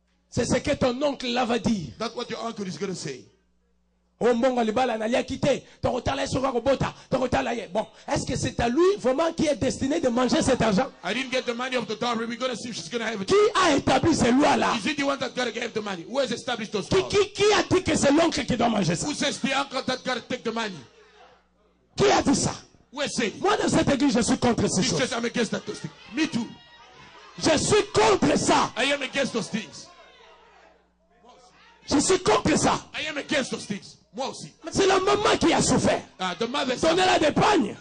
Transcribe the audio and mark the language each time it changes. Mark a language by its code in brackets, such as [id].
[fr] C'est ce que ton oncle là va dire. [en] That's what your uncle is gonna say. [fr] Bon, est-ce que c'est à lui vraiment qui est destiné de manger cet argent? [en] I didn't get the money of the dowry. We're gonna see if she's gonna have it. [fr] Qui a établi ces lois là? [en] Is it the one that gotta give the money? Who has established those laws? [fr] Qui a dit que c'est l'oncle qui doit manger ça? [en] Who says the uncle that gotta take the money? [fr] Qui a dit ça? [en] Who has said? [fr] Moi dans cette église, je suis contre ces choses. [en] I'm against that those things. Me too. [fr] Je suis contre ça. [en] I am against those things. [fr] Je suis contre ça. [en] I am against those things. [fr] Moi aussi. C'est la maman qui a souffert. Donnez-la des pagnes.